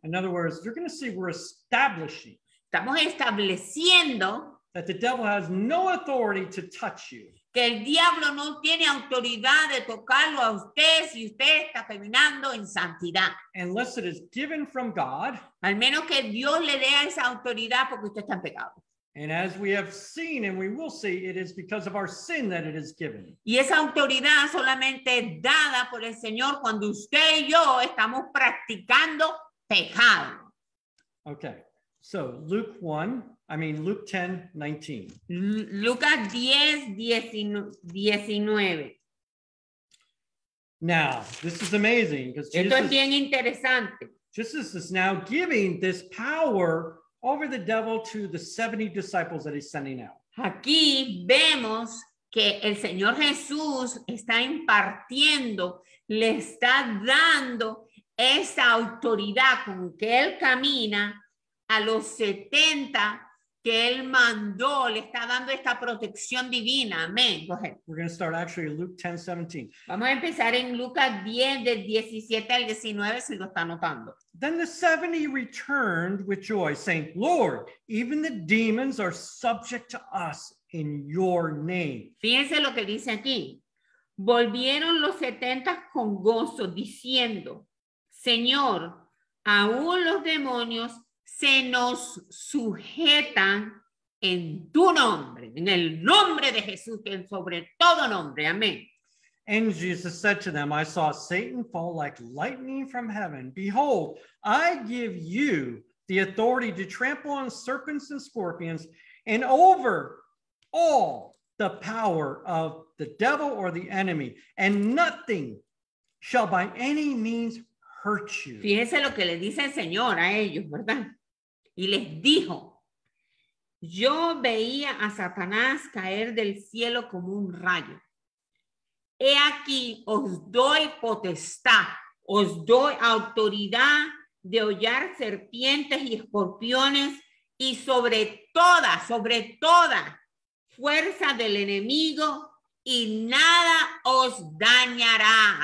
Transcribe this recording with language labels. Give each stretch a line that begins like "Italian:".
English: In other words, you're going to see we're establishing.
Spanish: Estamos estableciendo
English: that the devil has no authority to touch you.
Spanish: Que el diablo no tiene autoridad de tocarlo a usted si usted está caminando en santidad.
English: Unless it is given from God.
Spanish: Al menos que Dios le dé esa autoridad porque usted está en pecado.
English: And as we have seen and we will see, it is because of our sin that it is given.
Spanish: Y esa autoridad solamente es dada por el Señor cuando usted y yo estamos practicando pecado.
English: Okay, so Luke 10, 19.
Spanish: Lucas 10:19.
English: Now, this is amazing.
Spanish: Esto es bien interesante.
English: Jesus is now giving this power over the devil to the 70 disciples that he's sending out.
Spanish: Aquí vemos que el Señor Jesús está impartiendo, le está dando esa autoridad con que él camina a los 70 que él mandó, le está dando esta protección divina.
English: Amén. Go ahead. We're going to start actually Luke 10:17.
Spanish: Vamos a empezar en Lucas 10:17-19, si lo está anotando.
English: Then the 70 returned with joy, saying, Lord, even the demons are subject to us in your name.
Spanish: Fíjense lo que dice aquí. Volvieron los 70 con gozo, diciendo, Señor, aún los demonios se nos sujetan en tu nombre, en el nombre de Jesús, que es sobre todo nombre. Amén.
English: And Jesus said to them, I saw Satan fall like lightning from heaven. Behold, I give you the authority to trample on serpents and scorpions and over all the power of the devil or the enemy, and nothing shall by any means hurt you.
Spanish: Fíjense lo que le dice el Señor a ellos, ¿verdad? Y les dijo, yo veía a Satanás caer del cielo como un rayo. He aquí, os doy potestad, os doy autoridad de hollar serpientes y escorpiones y sobre toda fuerza del enemigo y nada os dañará.